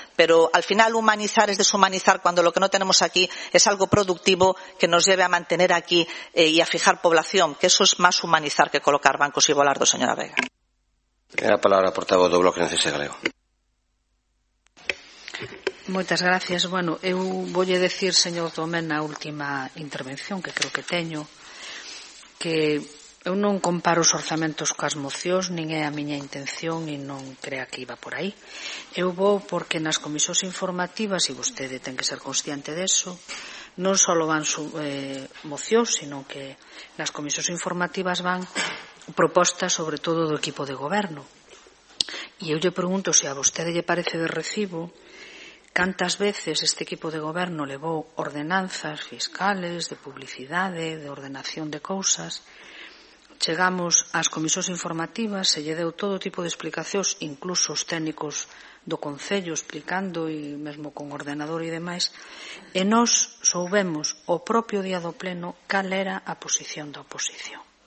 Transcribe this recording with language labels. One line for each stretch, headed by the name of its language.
Spanish: pero al final humanizar es deshumanizar cuando lo que no tenemos aquí es algo productivo que nos lleve a mantener aquí y a fijar población, que eso es más humanizar que colocar bancos y bolardos, señora Vega. Tiene la palabra el portavoz do Bloque Necesegreo.
Galician: Moitas gracias. Bueno, eu voulle decir, señor Domén, na última intervención que creo que teño, que eu non comparo os orzamentos coas mocións, nin é a miña intención e non crea que iba por aí. Eu vou porque nas comisións informativas, e vostede ten que ser consciente deso, non só van mocións, sino que nas comisións informativas van propostas sobre todo do equipo de goberno. E eu lle pregunto se a vostede lle parece de recibo cantas veces este equipo de goberno levou ordenanzas fiscales, de publicidade, de ordenación de cousas. Chegamos ás comisións informativas, se lle deu todo tipo de explicacións, incluso os técnicos do concello explicando e mesmo con ordenador e demais, e nos soubemos o propio día do pleno cal era a posición da oposición.